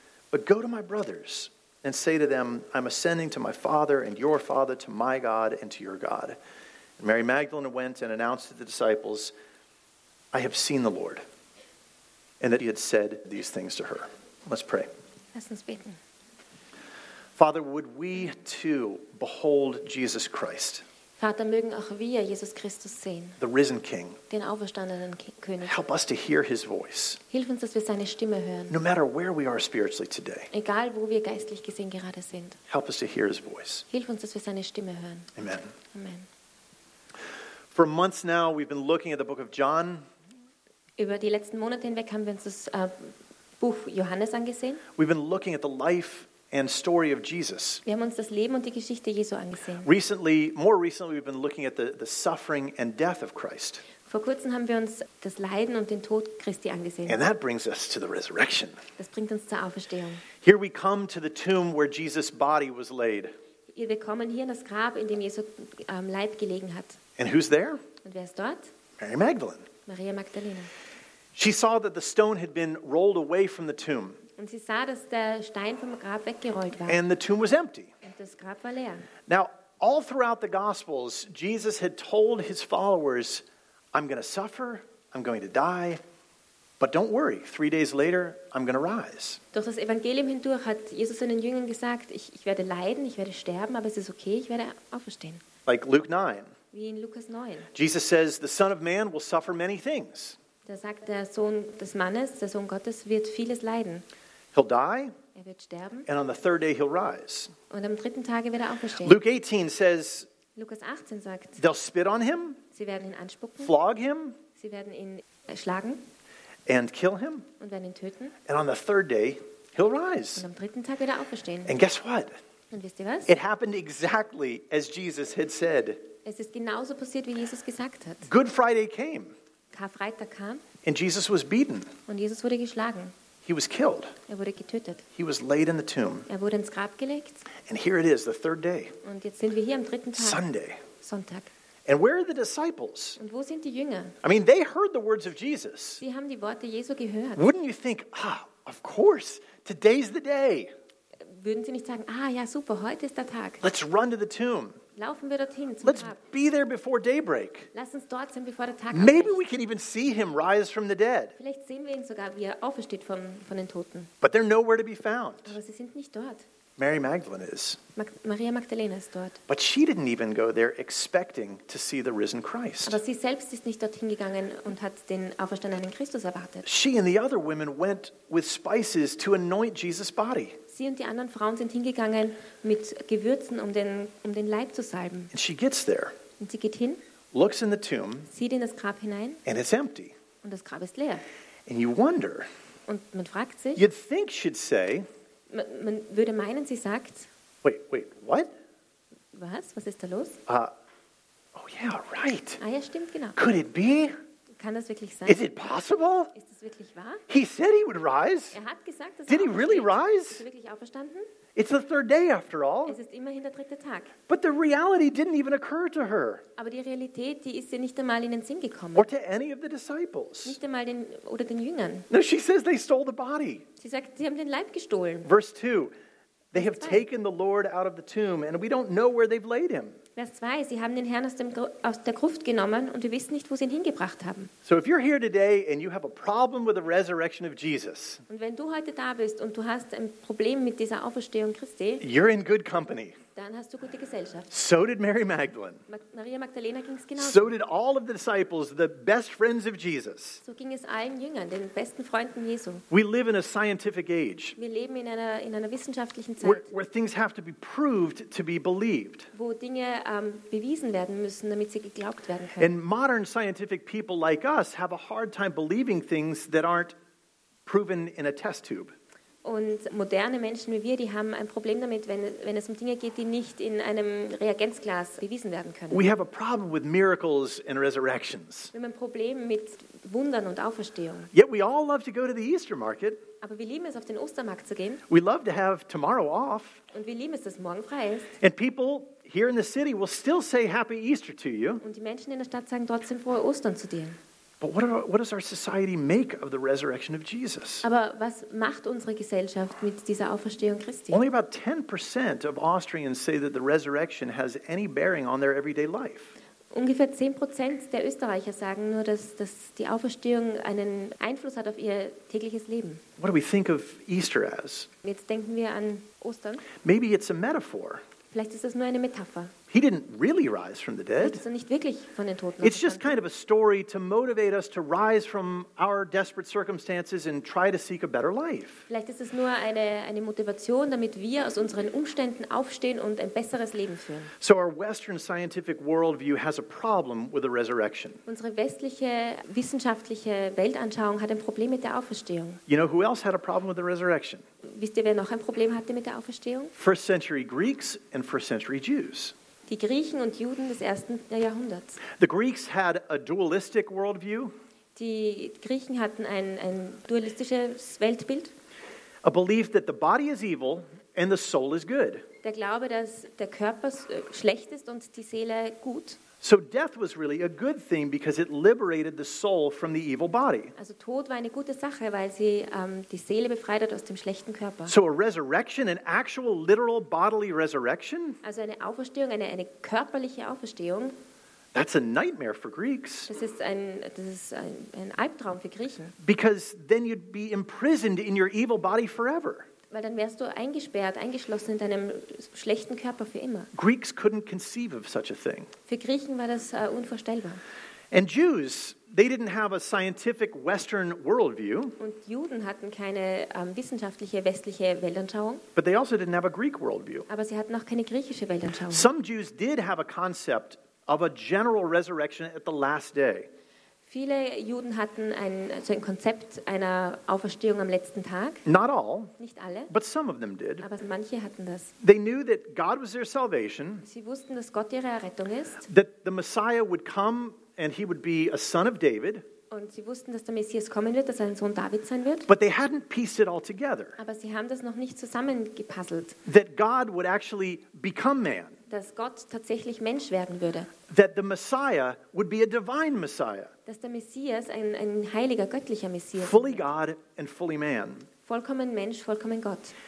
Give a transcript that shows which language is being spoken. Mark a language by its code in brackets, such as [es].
[en] But go to my brothers and say to them, 'I'm ascending to my Father and your Father, to my God and to your God.'" And Mary Magdalene went and announced to the disciples, "I have seen the Lord," and that he had said these things to her. Let's pray. Lessons beaten. Father, would we too behold Jesus Christ? [de] Vater, mögen auch wir Jesus Christus sehen. [en] The risen King. [de] Den auferstandenen König. [en] Help us to hear his voice. [de] Hilf uns, dass wir seine Stimme hören. [en] No matter where we are spiritually today. [de] Egal wo wir geistlich gesehen gerade sind. [en] Help us to hear his voice. [de] Hilf uns, dass wir seine Stimme hören. [en] Amen. [de] Amen. [en] For months now we've been looking at the book of John. [de] Über die letzten Monate hinweg haben wir uns das Buch Johannes angesehen. [en] We've been looking at the life and story of Jesus. [de] Wir haben uns das Leben und die Geschichte Jesu angesehen. [en] Recently, more recently, we've been looking at the suffering and death of Christ. [de] Vor kurzem haben wir uns das Leiden und den Tod Christi angesehen. [en] And that brings us to the resurrection. [de] Das bringt uns zur Auferstehung. [en] Here we come to the tomb where Jesus' body was laid. [de] Wir kommen hier in das Grab, in dem Jesu Leib gelegen hat. [en] And who's there? [de] Und wer ist dort? [en] Mary Magdalene. [de] Maria Magdalena. [en] She saw that the stone had been rolled away from the tomb. [de] Und sie sah, dass der Stein vom Grab weggerollt war. [en] And the tomb was empty. [de] Und das Grab war leer. [en] Now, all throughout the Gospels, Jesus had told his followers, "I'm going to suffer, I'm going to die, but don't worry, 3 days later, I'm going to rise." [de] Durch das Evangelium hindurch hat Jesus seinen Jüngern gesagt, ich werde leiden, ich werde sterben, aber es ist okay, ich werde auferstehen. [en] Like Luke 9. [de] Wie in Lukas 9. [en] Jesus says, "The Son of Man will suffer many things." [de] Da sagt der Sohn des Mannes, der Sohn Gottes, wird vieles leiden. [en] He'll die. [de] Er wird sterben. [en] And on the third day he'll rise. [de] Und am dritten Tage wird er aufstehen. [en] Luke 18 says. [de] Lukas 18 sagt. [en] They'll spit on him. [de] Sie werden ihn anspucken. [en] Flog him. [de] Sie werden ihn schlagen. [en] And kill him. [de] Und werden ihn töten. [en] And on the third day he'll rise. [de] Und am dritten Tag wird er aufstehen. [en] And guess what? [de] Und wisst ihr was? [en] It happened exactly as Jesus had said. [de] Es ist genauso passiert, wie Jesus gesagt hat. [en] Good Friday came. [de] Karfreitag kam. [en] And Jesus was beaten. [de] Und Jesus wurde geschlagen. [en] He was killed. [de] Er wurde getötet. [en] He was laid in the tomb. [de] Er wurde ins Grab gelegt. [en] And here it is, the third day. [de] Und jetzt sind wir hier am dritten Tag. [en] Sunday. [de] Sonntag. [en] And where are the disciples? [de] Und wo sind die Jünger? [en] I mean, they heard the words of Jesus. [de] Sie haben die Worte Jesu gehört. [en] Wouldn't you think, ah, of course, today's the day. [de] Würden Sie nicht sagen, ah ja, super, heute ist der Tag. [en] Let's run to the tomb. [de] Laufen wir dorthin zum [en] Let's [de] Grab. [en] Be there before daybreak. [de] Lass uns dort sein, bevor der Tag aufbricht. [en] Maybe we can even see him rise from the dead. [de] Vielleicht sehen wir ihn sogar, wie er aufersteht von den Toten. [en] But they're nowhere to be found. [de] Aber sie sind nicht dort. [en] Mary Magdalene is. [de] Maria Magdalena ist dort. [en] But she didn't even go there expecting to see the risen Christ. [de] Aber sie selbst ist nicht dorthin gegangen und hat den auferstandenen Christus erwartet. [en] She and the other women went with spices to anoint Jesus' body. [de] Sie und die anderen Frauen sind hingegangen mit Gewürzen, um den Leib zu salben. [en] And she gets there. [de] Und sie geht hin. [en] Looks in the tomb. [de] Sieht in das Grab hinein. [en] And it's empty. [de] Und das Grab ist leer. [en] And you wonder. [de] Und man fragt sich. [en] You'd think she'd say. [de] Man würde meinen, sie sagt. [en] Wait, what? [de] Was ist da los? [en] Right. [de] Ah ja, stimmt, genau. [en] Could it be? [de] Kann das wirklich sein? [en] Is it possible? [de] Ist das wirklich wahr? [en] He said he would rise. [de] Er hat gesagt, dass [en] Did he really rise? [de] Ist er wirklich auferstanden? [en] It's the third day after all. [de] Es ist immerhin der dritte Tag. [en] But the reality didn't even occur to her. [de] Aber die Realität, die ist ihr nicht einmal in den Sinn gekommen. [en] Or to any of the disciples. [de] Nicht einmal den oder den Jüngern. [en] No, she says they stole the body. [de] Sie sagt, sie haben den Leib gestohlen. [en] Verse 2. They have taken the Lord out of the tomb and we don't know where they've laid him. [de] Vers 2, sie haben den Herrn aus der Gruft genommen und wir wissen nicht, wo sie ihn hingebracht haben. [en] So if you're here today and you have a problem with the resurrection of Jesus. [de] Und wenn du heute da bist und du hast ein Problem mit dieser Auferstehung Christi. [en] You're in good company. [de] Dann hast du gute Gesellschaft. [en] So did Mary Magdalene. [de] Maria Magdalena ging es genauso. [en] So did all of the disciples, the best friends of Jesus. [de] So ging es allen Jüngern, den besten Freunden Jesu. [en] We live in a scientific age. [de] Wir leben in einer wissenschaftlichen Zeit. [en] Where things have to be proved to be believed. [de] Wo Dinge bewiesen werden müssen, damit sie geglaubt werden können. [en] And modern scientific people like us have a hard time believing things that aren't proven in a test tube. [de] Und moderne Menschen wie wir, die haben ein Problem damit, wenn es um Dinge geht, die nicht in einem Reagenzglas bewiesen werden können. [en] We have a problem with miracles and resurrections. [de] Wir haben ein Problem mit Wundern und Auferstehung. [en] Yet we all love to go to the Easter market. [de] Aber wir lieben es, auf den Ostermarkt zu gehen. [en] We love to have tomorrow off. [de] Und wir lieben es, dass morgen frei ist. [en] And people here in the city will still say Happy Easter to you. [de] Und die Menschen in der Stadt sagen trotzdem frohe Ostern zu dir. [en] But what does our society make of the resurrection of Jesus? [de] Aber was macht unsere Gesellschaft mit dieser Auferstehung Christi? [en] Only about 10% of Austrians say that the resurrection has any bearing on their everyday life. [de] Ungefähr 10% der Österreicher sagen nur, dass die Auferstehung einen Einfluss hat auf ihr tägliches Leben. [en] What do we think of Easter as? [de] Jetzt denken wir an Ostern. [en] Maybe it's a metaphor. [de] Vielleicht ist das nur eine Metapher. [en] He didn't really rise from the dead. [de] Ist er nicht wirklich von den Toten [en] It's just kind of a story to motivate us to rise from our desperate circumstances and try to seek a better life. [de] Vielleicht ist es nur eine Motivation, damit wir aus unseren Umständen aufstehen und ein besseres Leben führen. [en] So our Western scientific worldview has a problem with the resurrection. [de] Unsere westliche wissenschaftliche Weltanschauung hat ein Problem mit der Auferstehung. [en] You know who else had a problem with the resurrection? [de] Wisst ihr, wer noch ein Problem hatte mit der Auferstehung? [en] First century Greeks and first century Jews. [de] Die Griechen und Juden des ersten Jahrhunderts. [en] The Greeks had a dualistic worldview. [de] Die Griechen hatten ein dualistisches Weltbild. [en] A belief that the body is evil and the soul is good. [de] Der Glaube, dass der Körper schlecht ist und die Seele gut. [en] So death was really a good thing because it liberated the soul from the evil body. [de] Also Tod war eine gute Sache, weil sie die Seele befreit hat aus dem schlechten Körper. [en] So a resurrection, an actual literal bodily resurrection? [de] Also eine Auferstehung, eine körperliche Auferstehung. [en] That's a nightmare for Greeks. [de] Das ist ein Albtraum für Griechen. [en] Because then you'd be imprisoned in your evil body forever. [de] Weil dann wärst du eingesperrt, eingeschlossen in deinem schlechten Körper für immer. [en] Greeks couldn't conceive of such a thing. [de] Für Griechen war das unvorstellbar. [en] And Jews, they didn't have a scientific Western worldview. [de] Und Juden hatten keine wissenschaftliche westliche Weltanschauung. [en] But they also didn't have a Greek worldview. [de] Aber sie hatten auch keine griechische Weltanschauung. [en] Some Jews did have a concept of a general resurrection at the last day. [de] Viele Juden hatten ein Konzept einer Auferstehung am letzten Tag. [en] Not all. [de] Nicht alle. [en] But some of them did. [de] Aber manche hatten das. [en] They knew that God was their salvation. [de] Sie wussten, dass Gott ihre Errettung ist. [en] That the Messiah would come and he would be a son of David. [de] Und sie wussten, dass der Messias kommen wird, dass er ein Sohn David sein wird. [en] But they hadn't pieced it all together. [de] Aber sie haben das noch nicht zusammengepuzzelt. [en] That God would actually become man. [de] Dass Gott tatsächlich Mensch werden würde. [en] That the Messiah would be a divine Messiah. [de] Dass der Messias ein heiliger, göttlicher Messias wird. [en] Fully God and fully man. [de] Vollkommen Mensch, vollkommen Gott.